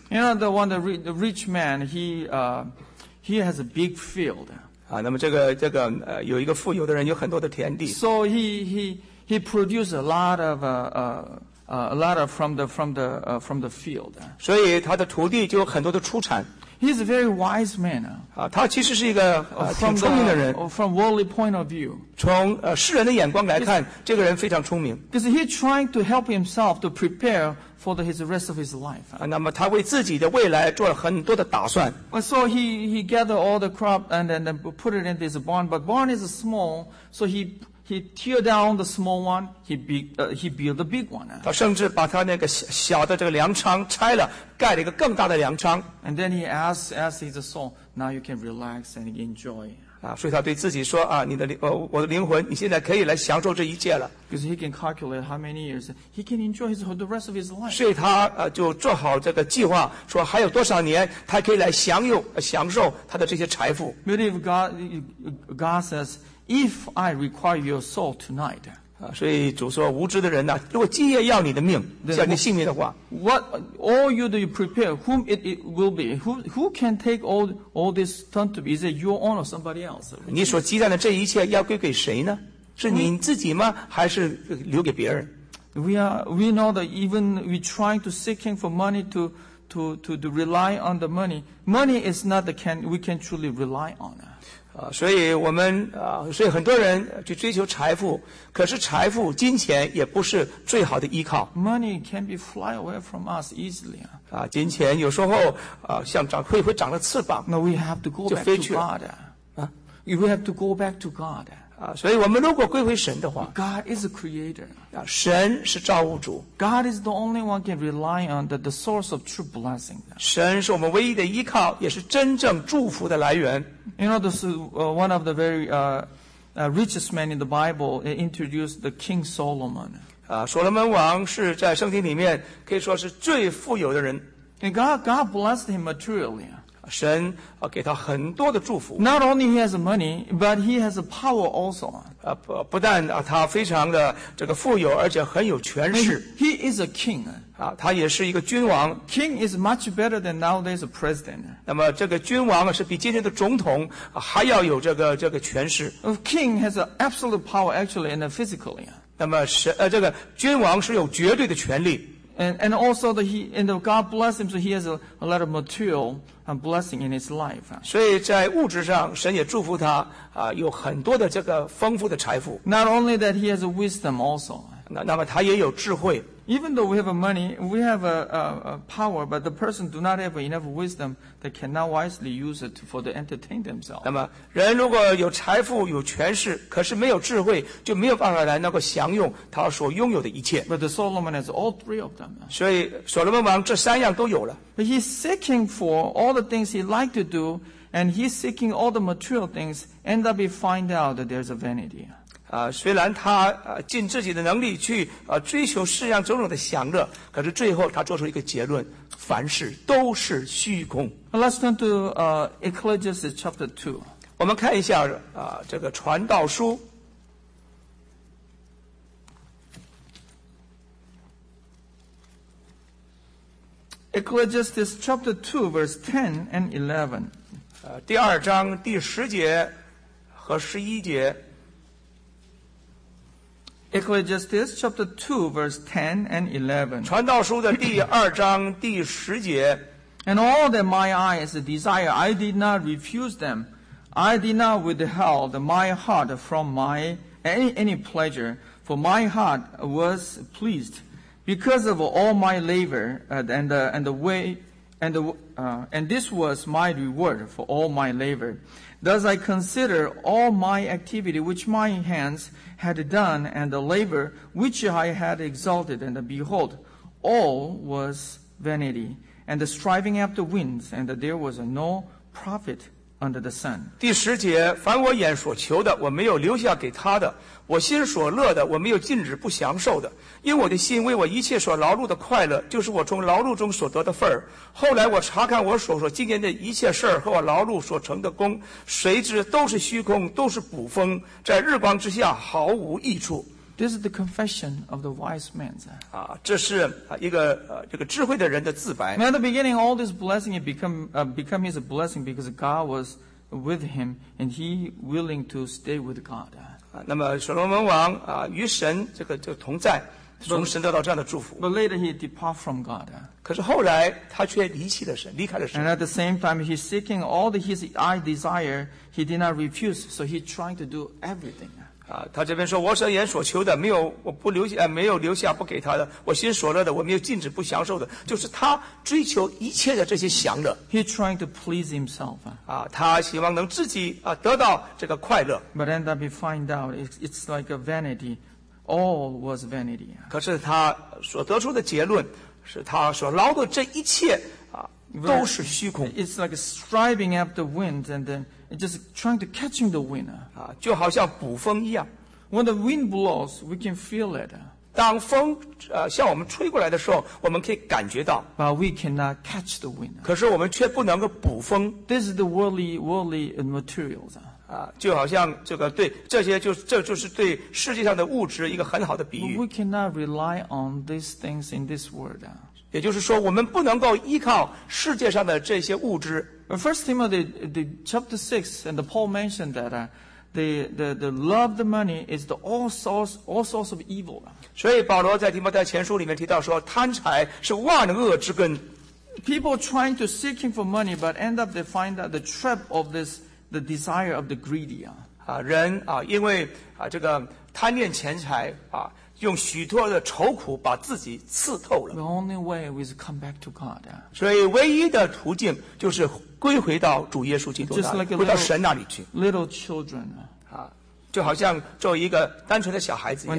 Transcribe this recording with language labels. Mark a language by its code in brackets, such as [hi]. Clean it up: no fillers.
[en] You know, the one, the rich man, he has a big field. [zh] 啊，那么这个有一个富有的人有很多的田地。 [en] So he produced a lot of from the field. [zh] 所以他的土地就有很多的出产。 [en] He's a very wise man. [zh] 他其实是一个挺聪明的人。 [en] From worldly point of view. [zh] 从世人的眼光来看，这个人非常聪明。 [en] Because he's trying to help himself to prepare for the rest of his life. [zh] 那么他为自己的未来做了很多的打算。 [en] So he gathered all the crop and then put it in this barn. But barn is small, so he tear down the small one. He build the big one. [zh] 他甚至把他那个小的这个粮仓拆了，盖了一个更大的粮仓。 [en] And then he asked his soul, "Now you can relax and enjoy." [zh] 啊，所以他对自己说啊，你的我的灵魂，你现在可以来享受这一切了。 [en] Because he can calculate how many years he can enjoy the rest of his life. [zh] 所以他就做好这个计划，说还有多少年他可以来享受他的这些财富。 [en] But if God says. If I require your soul tonight, [zh] 所以主说无知的人呐、啊，如果今夜要你的命，要你性命的话 [en] ，What all you do you prepare? Whom it will be? Who can take all this turn to be? Is it your own or somebody else? [zh] 你所积攒的这一切要归给谁呢？是你自己吗？还是留给别人 [en] ？We know that even we trying to seeking for money to rely on the money. Money is not the can we can truly rely on. [zh] 所以我们所以很多人去追求财富，可是财富金钱也不是最好的依靠。 [en] Money can be fly away from us easily. [zh] 金钱有时候像长会长了翅膀。 [en] No, we have to go back to God. We have to go back to God. [zh] 所以我们如果归回神的话。 [en] God is the creator. [zh] 神是造物主。 [en] God is the only one can rely on the source of true blessing. [zh] 神是我们唯一的依靠，也是真正祝福的来源。 [en] You know, this is one of the very richest men in the Bible. It introduced the King Solomon. [zh] 所罗门王是在圣经里面可以说是最富有的人。 [en] And God blessed him materially. [zh] 神给他很多的祝福。 [en] Not only he has money, but he has power also. [zh] 不但他非常的这个富有，而且很有权势。 [en] He is a king. [zh] 他也是一个君王。 [en] King is much better than nowadays a president. [zh] 那么这个君王是比今天的总统还要有这个权势。 [en] A king has absolute power actually and physically. [zh] 那么这个君王是有绝对的权力。 [en] And also and God bless him, so he has a lot of material blessing in his life. [zh] 所以在物质上，神也祝福他有很多的这个丰富的财富。 [en] Not only that, he has wisdom also. [zh] 那么他也有智慧。 [en] Even though we have money, we have a power, but the person do not have enough wisdom, they cannot wisely use it for to entertain themselves. [zh] 那么人如果有财富有权势，可是没有智慧，就没有办法来能够享用他所拥有的一切。 [en] But Solomon has all three of them. [zh] 所以所罗门王这三样都有了。 [en] He's seeking for all the things he like to do, and he's seeking all the material things, end up he find out that there's a vanity. [zh] 虽然他尽自己的能力去追求世上种种的享乐，可是最后他做出一个结论：凡事都是虚空。 [en] Let's turn to Ecclesiastes chapter 2. [zh] 我们看一下这个传道书。 [en] Ecclesiastes chapter 2, verse 10 and 11. [zh] 第二章第十节和十一节。 [en] Ecclesiastes chapter 2 verse 10 and 11. [zh] 传道书的第二章第十节。 [en] And all that my eyes desire, I did not refuse them. I did not withheld my heart from my any pleasure, for my heart was pleased because of all my labor and this was my reward for all my labor. Thus I consider all my activity which my hands had done and the labor which I had exalted and behold, all was vanity and the striving after winds and there was no profit under the sun. [zh] 第十节，凡我眼所求的，我没有留下给他的；我心所乐的，我没有禁止不享受的。因我的心为我一切所劳碌的快乐，就是我从劳碌中所得的份儿。后来我查看我所经验的一切事儿和我劳碌所成的功，谁知都是虚空，都是捕风，在日光之下毫无益处。 [en] This is the confession of the wise man. [zh] 啊，这是一个这个智慧的人的自白。 [en] At the beginning, all this blessing it become his blessing because God was with him and he willing to stay with God. [zh] 啊，那么所罗门王啊，与神这个就同在。从神得到这样的祝福。 [en] But later he depart from God. [zh] 可是后来他却离弃了神，离开了神。 [en] And at the same time he's seeking all that his eye desire, he did not refuse, so he trying to do everything. [zh] 他这边说我所眼所求的没有我不留下没有留下不给他的我心所乐的我没有禁止不享受的就是他追求一切的这些享乐。 [en] He trying to please himself. [zh] 他希望能自己得到这个快乐。 [en] But end up he find out it's like a vanity. All was vanity. [zh] 可是他所得出的结论是他所劳的这一切都是虚空。 [en] It's like striving after wind and then just trying to catching the wind. [zh] 就好像捕风一样。 [en] When the wind blows, we can feel it. [zh] 当风向我们吹过来的时候我们可以感觉到。 [en] But we cannot catch the wind. [zh] 可是我们却不能够捕风。 [en] This is the worldly materials. [zh] 就好像这个对这些就这就是对世界上的物质一个很好的比喻。 [en] We cannot rely on these things in this world. [zh] 也就是说，我们不能够依靠世界上的这些物质。 [en] First Timothy the chapter 6 and Paul mentioned that the love of the money is the all source of evil. [zh] 所以保罗在提摩太前书里面提到说，贪财是万恶之根。 [en] People trying to seeking for money, but end up they find that the trap of this. The desire of the greedy. [zh] 人因为这个贪恋钱财用许多的愁苦把自己刺透了。 [en] The only way is come back to God. [zh] 所以唯一的途径就是归回到主耶稣基督那里，回到神那里去。 [en] Little children. [zh] 就好像做一个单纯的小孩子一样。